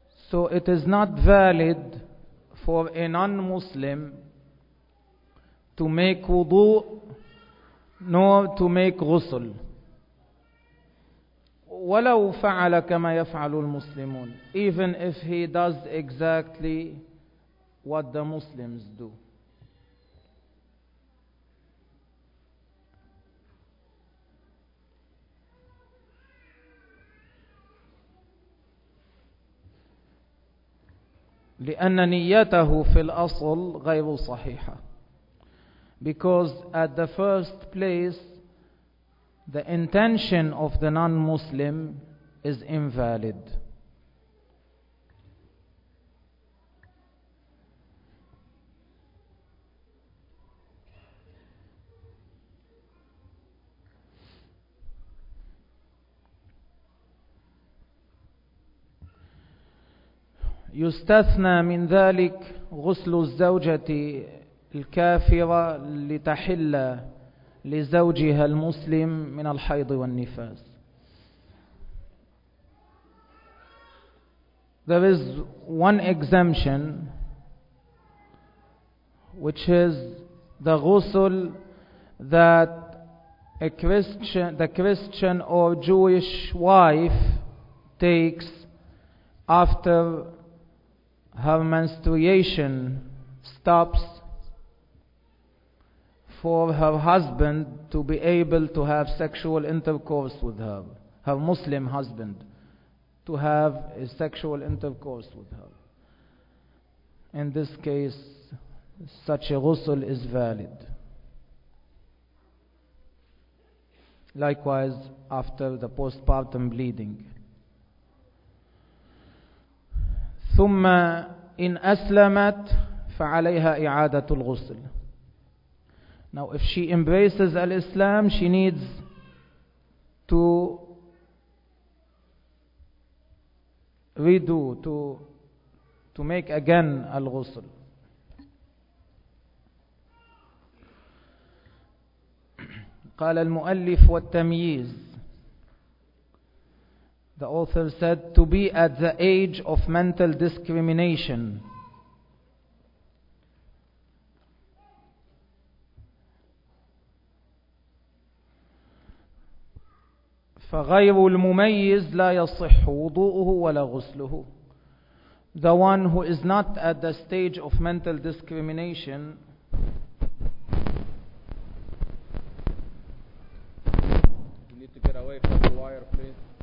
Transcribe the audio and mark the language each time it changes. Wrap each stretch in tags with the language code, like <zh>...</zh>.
<en>So it is not valid for a non-Muslim to make wudu nor to make ghusl.</en> <ar>ولو فعل كما يفعل المسلمون.</ar> <en>Even if he does exactly what the Muslims do.</en> <ar>لأن نيته في الأصل غير صحيحة.</ar> <en>Because at the first place, the intention of the non-Muslim is invalid.</en> <ar>يستثنى من ذلك غسل الزوجة الكافرة لتحل لزوجها المسلم من الحيض والنفاس.</ar> <en>There is one exemption, which is the ghusl that the Christian or Jewish wife takes after her menstruation stops for her husband to be able to have sexual intercourse with her, her Muslim husband to have a sexual intercourse with her. In this case, such a ghusl is valid. Likewise, after the postpartum bleeding.</en> <ar>ثم إن أسلمت فعليها إعادة الغسل.</ar> <en>Now if she embraces Islam, she needs to redo, to make again الغسل.</en> <ar>قال المؤلف والتمييز.</ar> <en>The author said, to be at the age of mental discrimination. ف</en> <ar>فغير المميز لا يصح وضوءه ولا غسله.</ar> <en>The one who is not at the stage of mental discrimination, you need to get away from the wire, please.</en>